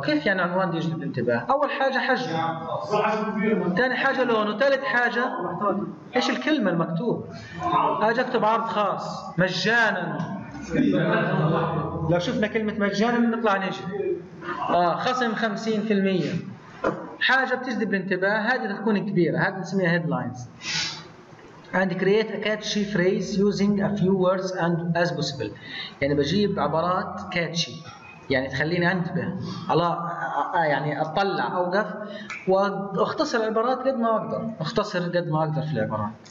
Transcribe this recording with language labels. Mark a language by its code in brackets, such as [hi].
[ar] كيف يعني عنوان يجذب انتباه؟ اول حاجه حجم، ثاني حاجه لونه، ثالث حاجه ايش الكلمه المكتوب. اجي اكتب عرض خاص مجانا، لو شفنا كلمه مجانا بنطلع نجم، خصم 50%، حاجه بتجذب الانتباه، هذه تكون كبيره، هذه نسميها هيدلاينز. [en] And create a catchy phrase using a few words and as possible. [ar] يعني بجيب عبارات catchy، يعني تخليني انتبه على يعني اطلع اوقف واختصر العبارات قد ما اقدر، اختصر قد ما اقدر في العبارات.